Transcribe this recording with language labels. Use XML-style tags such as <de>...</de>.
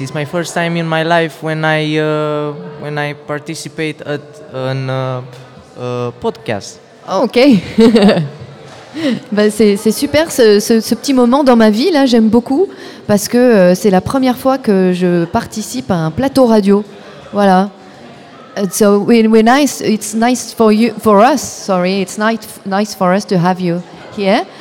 <en>It's my first time in my life when I participate at an podcast. Oh, okay.</en> <fr>c'est super ce petit moment dans ma vie là. J'aime beaucoup parce que c'est la première fois que je participe à un plateau radio.</fr> <en>Voilà. So we're nice. It's nice for you for us. Sorry, it's nice for us to have you here.</en>